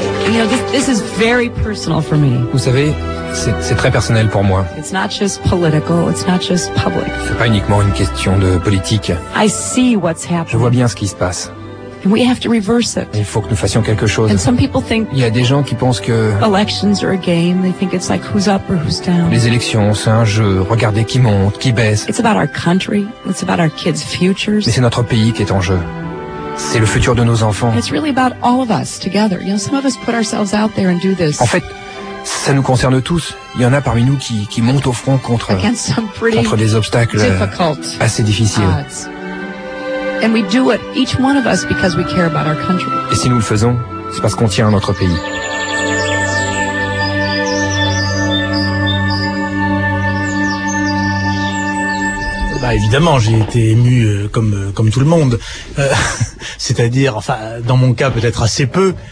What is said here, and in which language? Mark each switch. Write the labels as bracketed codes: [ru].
[en] You know, this is very personal for me. [fr] Vous savez, c'est très personnel pour moi. [en] It's not just political, it's not just public. [fr] C'est pas uniquement une question de politique. [en] I see what's happening. [fr] Je vois bien ce qui se passe. [en] And we have to reverse it. [fr] Il faut que nous fassions quelque chose. [en] And some people think, [fr] il y a des gens qui pensent que [en] elections are a game. They think it's like who's up or who's down. [fr] Les élections, c'est un jeu. Regardez qui monte, qui baisse. [en] It's about our country. It's about our kids' futures. [fr] Mais c'est notre pays qui est en jeu. C'est le futur de nos enfants. [en] It's really about all of us together. You know, some of us put ourselves out there and do this. [fr] En fait, ça nous concerne tous. Il y en a parmi nous qui montent au front contre des obstacles assez difficiles. [en] Odds. And we do it, each one of us, because we care about our country. [fr] Et si nous le faisons, c'est parce qu'on tient à notre pays. Bah évidemment, j'ai été ému comme tout le monde. C'est-à-dire, enfin, dans mon cas, peut-être assez peu.